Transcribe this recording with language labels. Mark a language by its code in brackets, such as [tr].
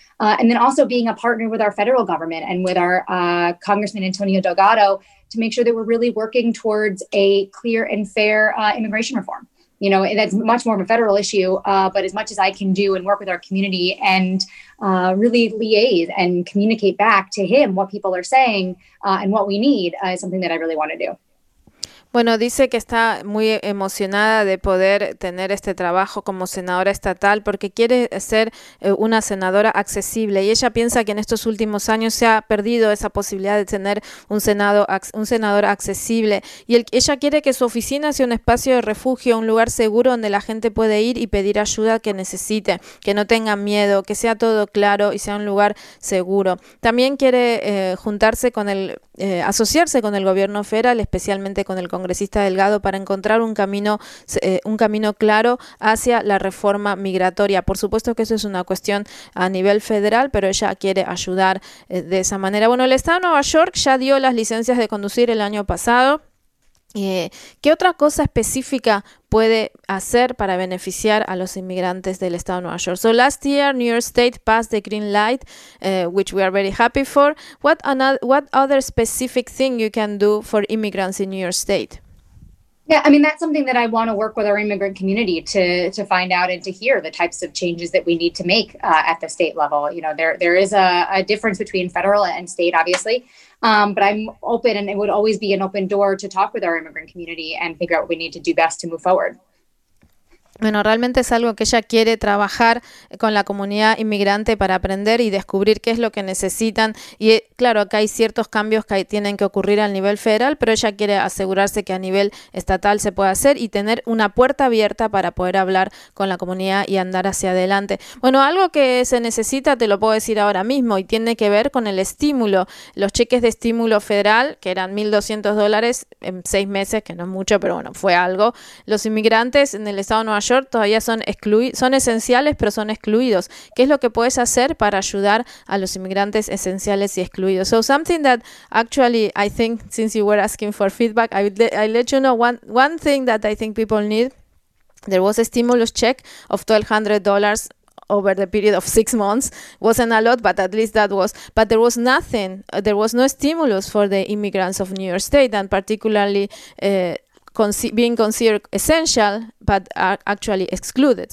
[en] And then also being a partner with our federal government and with our Congressman Antonio Delgado to make sure that we're really working towards a clear and fair immigration reform. You know, that's much more of a federal issue, but as much as I can do and work with our community and really liaise and communicate back to him what people are saying and what we need is something that I really want to do. [es] Bueno, dice que está muy emocionada de poder tener este trabajo como senadora estatal porque quiere ser una senadora accesible y ella piensa que en estos últimos años se ha perdido esa posibilidad de tener un senador accesible y ella quiere que su oficina sea un espacio de refugio, un lugar seguro donde la gente puede ir y pedir ayuda que necesite, que no tenga miedo, que sea todo claro y sea un lugar seguro. También quiere asociarse con el gobierno federal, especialmente con el congresista Delgado, para encontrar un camino claro hacia la reforma migratoria. Por supuesto que eso es una cuestión a nivel federal, pero ella quiere ayudar de esa manera. Bueno, el estado de Nueva York ya dio las licencias de conducir el año pasado. ¿Qué otra cosa específica puede hacer para beneficiar a los inmigrantes del estado de Nueva York? [en] So last year, New York State passed the green light, which we are very happy for. What other specific thing you can do for immigrants in New York State? Yeah, I mean, that's something that I want to work with our immigrant community to find out and to hear the types of changes that we need to make at the state level. You know, there is a difference between federal and state, obviously. But I'm open and it would always be an open door to talk with our immigrant community and figure out what we need to do best to move forward. [es] Bueno, realmente es algo que ella quiere trabajar con la comunidad inmigrante para aprender y descubrir qué es lo que necesitan. Y claro, acá hay ciertos cambios que tienen que ocurrir al nivel federal, pero ella quiere asegurarse que a nivel estatal se pueda hacer y tener una puerta abierta para poder hablar con la comunidad y andar hacia adelante. Bueno, algo que se necesita, te lo puedo decir ahora mismo, y tiene que ver con el estímulo. Los cheques de estímulo federal, que eran $1,200 en 6 meses, que no es mucho, pero bueno, fue algo. Los inmigrantes en el estado de Nueva York todavía son esenciales, pero son excluidos. ¿Qué es lo que puedes hacer para ayudar a los inmigrantes esenciales y excluidos? [en] So something that actually I think, since you were asking for feedback, I let you know one thing that I think people need. There was a stimulus check of $1,200 over the period of 6 months. Wasn't a lot, but at least that was. But there was nothing. There was no stimulus for the immigrants of New York State, and particularly being considered essential, but are actually excluded.